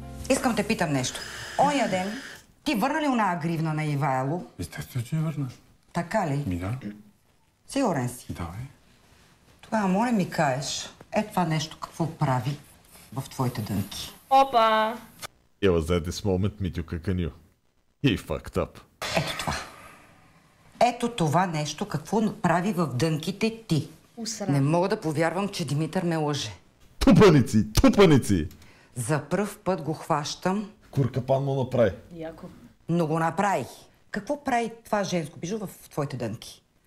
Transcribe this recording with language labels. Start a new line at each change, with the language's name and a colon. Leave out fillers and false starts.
Bulgarian: Искам те питам нещо. Оня ден, ти върна ли оная гривна на Ивайло? Естествено, че не върна. Така ли? Ми да. Сигурен си? Да, бе. Тогава, може ми кажеш, е това нещо какво прави в твоите дънки. Опа!
English: It was at this moment, Митюка Каню. He fucked up.
Bulgarian: Ето това. Ето това нещо какво прави в дънките ти. Усра. Не мога да повярвам, че Димитър ме лъже. Тупаници! Тупаници! За пръв път го хващам. Куркапан му направи. Яко. Но го направи. Какво прави това женско бижу в твоите дънки?